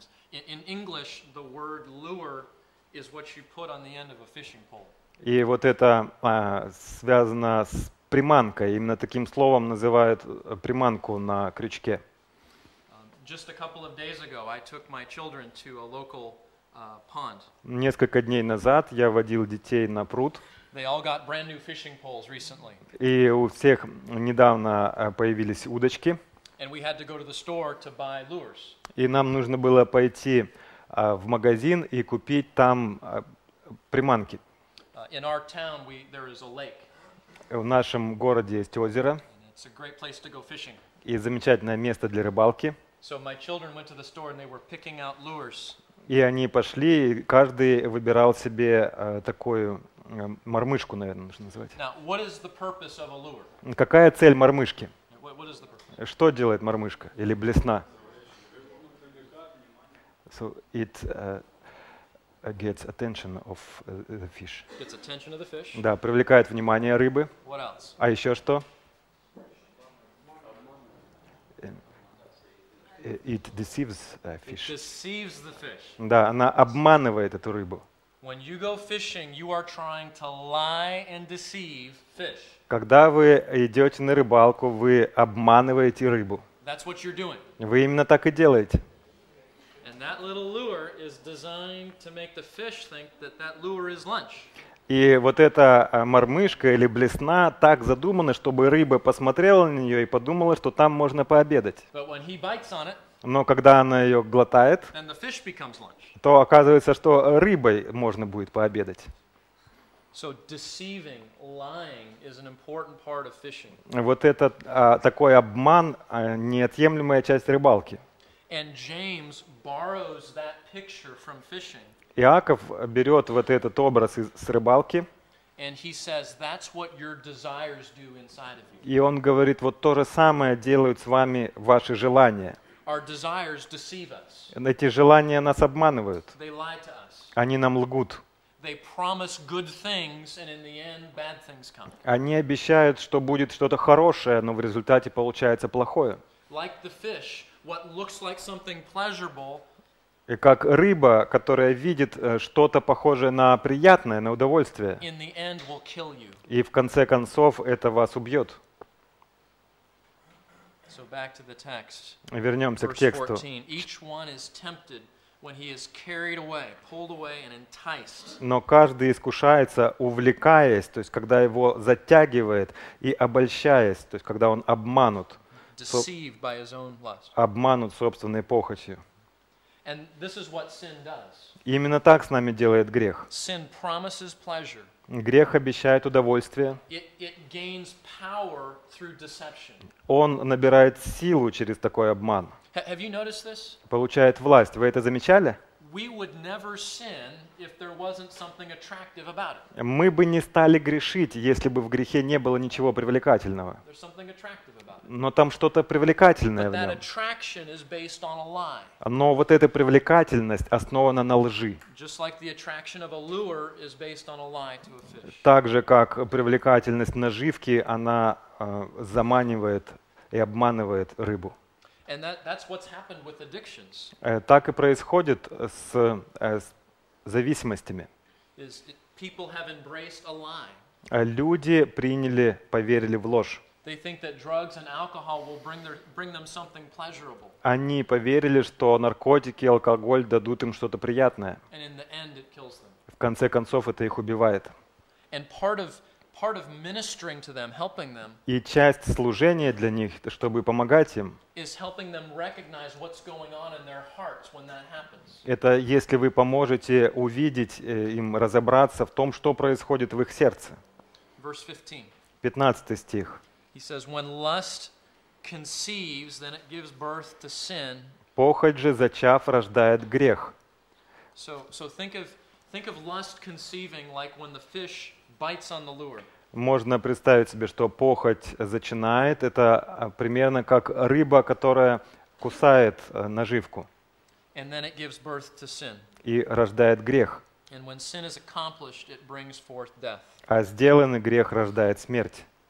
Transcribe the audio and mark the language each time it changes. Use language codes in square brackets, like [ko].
[en] In English, the word lure is what you put on the end of a fishing pole. [ru] И вот это связано с приманкой. Именно таким словом называют приманку на крючке. [en] Just a couple of days ago, I took my children to a local pond. [ru] Несколько дней назад я водил детей на пруд. [en] They all got brand new fishing poles recently. [ru] И у всех недавно появились удочки. [en] And we had to go to the store to buy lures. [ru] И нам нужно было пойти в магазин и купить там приманки. [en] In our town, there is a lake. [ru] В нашем городе есть озеро. [en] And it's a great place to go fishing. [ru] И замечательное место для рыбалки. [en] So my children went to the store and they were picking out lures. [ru] И они пошли, и каждый выбирал себе такую мормышку, наверное, нужно назвать. [en] Now, what is the purpose of a lure? [ru] Какая цель мормышки? [en] What is the purpose? [ru] Что делает мормышка или блесна? [en] So it gets attention of the fish. Gets attention of the fish. [ru] Да, привлекает внимание рыбы. [en] What else? [ru] А еще что? [en] It deceives a fish. It deceives the fish. [ru] Да, она обманывает эту рыбу. [en] When you go fishing, you are trying to lie and deceive fish. [ru] Когда вы идете на рыбалку, вы обманываете рыбу. [en] That's what you're doing. [ru] Вы именно так и делаете. [en] And that little lure is designed to make the fish think that that lure is lunch. [ru] И вот эта мормышка или блесна так задумана, чтобы рыба посмотрела на нее и подумала, что там можно пообедать. [en] But when he bites on it, [ru] но когда она ее глотает, [en] then the fish becomes lunch. [ru] То оказывается, что рыбой можно будет пообедать. [en] So deceiving, lying is an important part of fishing. [ru] Вот этот такой обман неотъемлемая часть рыбалки. [en] And James borrows that picture from fishing. [ru] Иаков берет вот этот образ с рыбалки. [en] And he says, that's what your desires do inside of you. [ru] И он говорит, вот то же самое делают с вами ваши желания. [en] Our desires deceive us. [ru] Эти желания нас обманывают. [en] They lie to us. [ru] Они нам лгут. [en] They promise good things, and in the end, bad things come. [ru] Они обещают, что будет что-то хорошее, но в результате получается плохое. [en] Like the fish, what looks like something pleasurable. [ru] И как рыба, которая видит что-то похожее на приятное, на удовольствие. [en] In the end, will kill you. [ru] И в конце концов это вас убьет. [en] So back to the text. [ru] Вернемся [en] Verse [ru] к тексту. [en] 14. Each one is tempted. When he is carried away, pulled away and enticed. [ru] Но каждый искушается, увлекаясь, то есть когда его затягивает, и обольщаясь, то есть когда он обманут, [en] deceived by his own lust. [ru] Обманут собственной похотью. [en] And this is what sin does. [ru] Именно так с нами делает грех. [en] Sin promises pleasure. [ru] Грех обещает удовольствие. [en] It gains power through deception. [ru] Он набирает силу через такой обман. [en] Have you noticed this? [ru] Получает власть. Вы это замечали? [en] We would never sin if there wasn't something attractive about it. [ru] Мы бы не стали грешить, если бы в грехе не было ничего привлекательного. [en] There's something attractive about it. [ru] Но там что-то привлекательное в нем. [en] That attraction is based on a lie. [ru] Но вот эта привлекательность основана на лжи. [en] Just like the attraction of a lure is based on a lie to a fish. [ru] Так же, как привлекательность наживки, она заманивает и обманывает рыбу. [en] And that's what's happened with addictions. [ru] Так и происходит с зависимостями. [en] Is people have embraced a lie. [ru] Люди приняли, поверили в ложь. [en] They think that drugs and alcohol will bring them something pleasurable. [ru] Они поверили, что наркотики и алкоголь дадут им что-то приятное. [en] And in the end, it kills them. [ru] В конце концов, это их убивает. [en] And part of ministering to them, helping them. [ru] И часть служения для них, чтобы помогать им. [en] Is helping them recognize what's going on in their hearts when that happens. [ru] Это если вы поможете увидеть им разобраться в том, что происходит в их сердце. [en] Verse 15. [ru] 15 стих. [en] He says, when lust conceives, then it gives birth to sin. [ru] Похоть же, зачав, рождает грех. [en] So think of lust conceiving like when the fish bites on the lure. [ru] Можно представить себе, что похоть зачинает. Это примерно как рыба, которая кусает наживку. [en] And then it gives birth to sin. [ru] И рождает грех. [en] And when sin is accomplished, it brings forth death. [ru] А сделанный грех рождает смерть.